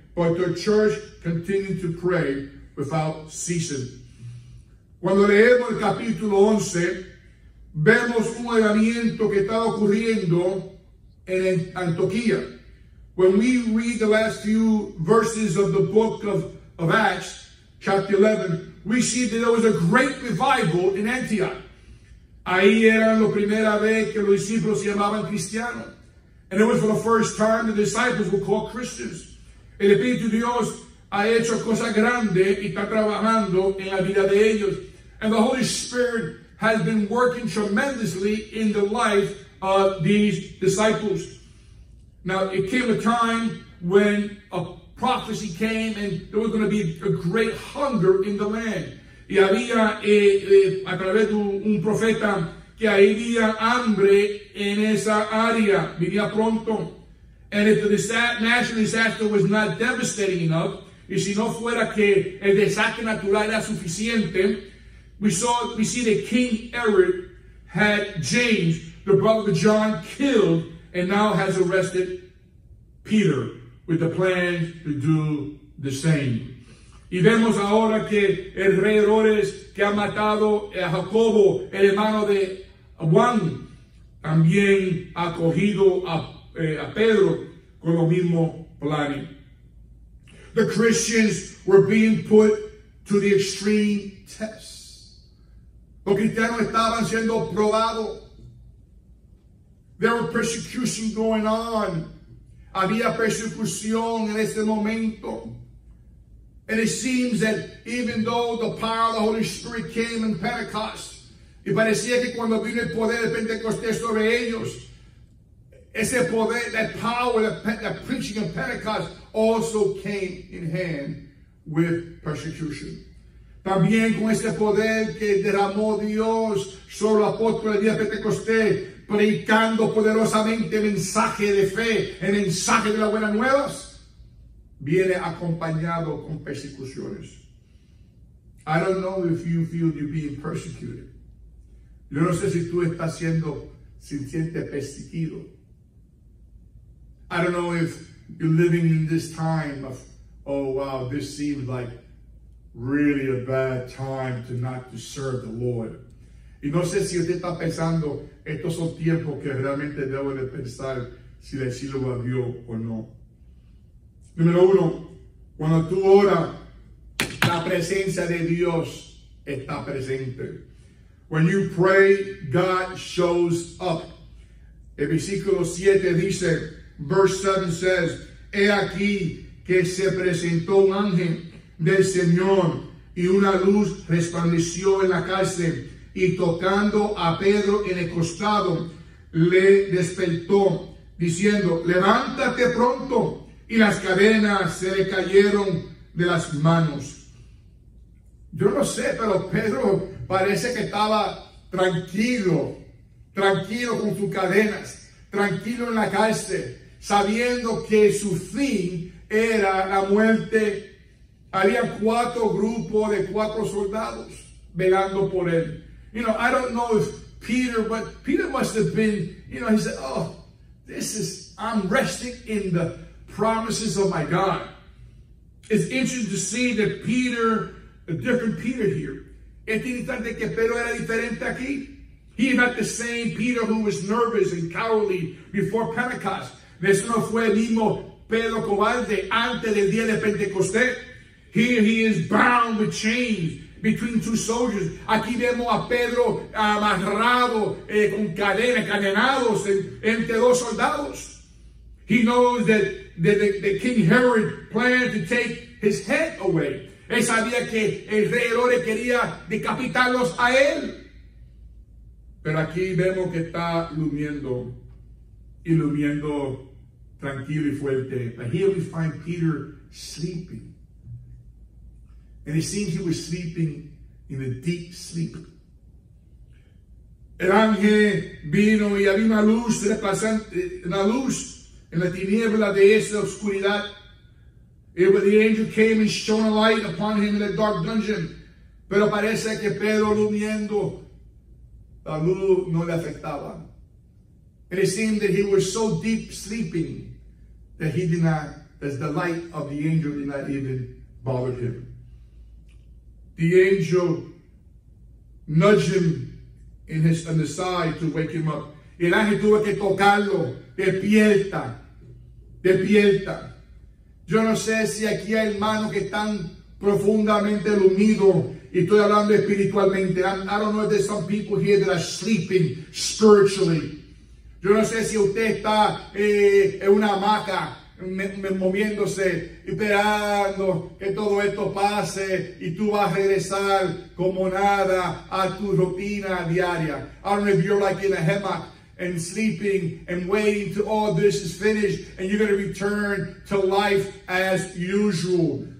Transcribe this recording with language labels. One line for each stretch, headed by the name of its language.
English: But the church continued to pray without ceasing.
Spanish: Cuando leemos el capítulo 11, vemos un avivamiento que estaba ocurriendo en Antioquía.
English: When we read the last few verses of the book of Acts, chapter 11, we see that there was a great revival in Antioch.
Spanish: Ahí era la primera vez que los discípulos se llamaban cristianos.
English: And it was for the first time the disciples were called Christians.
Spanish: El Espíritu Dios ha hecho cosas grandes y está trabajando en la vida de ellos.
English: And the Holy Spirit has been working tremendously in the life of these disciples. Now, it came a time when a prophecy came and there was going to be a great hunger in the land.
Spanish: Y había, a través de un profeta, que había hambre en esa área. Vivía pronto.
English: And if the natural disaster was not devastating enough,
Spanish: y si no fuera que el desastre natural era suficiente,
English: we see that King Herod had James, the brother of John, killed, and now has arrested Peter with the plan to do the same.
Spanish: Y vemos ahora que el rey Herodes, que ha matado a Jacobo, el hermano de Juan, también ha cogido a Pedro con lo mismo plan.
English: The Christians were being put to the extreme test.
Spanish: Los cristianos estaban siendo probados.
English: There was persecution going on.
Spanish: Había persecución en ese momento.
English: And it seems that even though the power of the Holy Spirit came in Pentecost,
Spanish: y parecía que cuando vino el poder de Pentecostés sobre ellos, ese poder,
English: that power, that preaching of Pentecost also came in hand with persecution.
Spanish: También con ese poder que derramó Dios sobre los apóstoles el día de Pentecostés, predicando poderosamente el mensaje de fe, el mensaje de las buenas nuevas, viene acompañado con persecuciones.
English: I don't know if you feel you're being persecuted.
Spanish: Yo no sé si tú estás siendo, si sientes perseguido.
English: I don't know if you're living in this time of, oh wow, this seems like really a bad time to not to serve the Lord.
Spanish: Y no sé si usted está pensando, estos son tiempos que realmente debo de pensar si le sirvo a Dios o no. Número uno, cuando tú oras, la presencia de Dios está presente.
English: When you pray, God shows up.
Spanish: El versículo 7 dice,
English: verse 7 says,
Spanish: he aquí que se presentó un ángel del Señor y una luz resplandeció en la cárcel y tocando a Pedro en el costado, le despertó diciendo, levántate pronto. Y las cadenas se le cayeron de las manos. Yo no sé, pero Pedro parece que estaba tranquilo, tranquilo con sus cadenas, tranquilo en la cárcel, sabiendo que su fin era la muerte. Había cuatro grupos de cuatro soldados velando por él.
English: You know, I don't know if Peter, but Peter must have been, you know, he said, oh, this is, I'm resting in the promises of my God. It's interesting to see that Peter, a different Peter here.
Spanish: Es interesante que Pedro era diferente aquí.
English: He is not the same Peter who was nervous and cowardly before Pentecost.
Spanish: Eso no fue el mismo Pedro cobarde antes del día de Pentecostés.
English: Here he is bound with chains between two soldiers.
Spanish: Aquí vemos a Pedro amarrado con cadenas, cadenados entre dos soldados.
English: He knows that the King Herod planned to take his head away.
Spanish: Él sabía que el rey Herodes quería decapitarlos a él. Pero aquí vemos que está lumiendo, y lumiendo tranquilo y fuerte.
English: But here we find Peter sleeping. And it seems he was sleeping in a deep sleep.
Spanish: El ángel vino y había una luz, una luz en la tiniebla de esa oscuridad.
English: The angel came and shone a light upon him in a dark dungeon.
Spanish: Pero parece que Pedro lumiendo, la luz no le afectaba.
English: And it seemed that he was so deep sleeping that he did not, that the light of the angel did not even bother him. The angel nudged him in his, on the side to wake him up.
Spanish: El ángel tuvo que tocarlo, despierta. Despierta. Yo no sé si aquí hay hermanos que están profundamente dormidos, y estoy hablando espiritualmente.
English: I don't know if there's some people here that are sleeping spiritually.
Spanish: Yo no sé si usted está en una hamaca moviéndose, esperando que todo esto pase y tú vas a regresar como nada a tu rutina diaria.
English: I don't know if you're like in a hammock and sleeping and waiting till all this is finished and you're going to return to life as usual.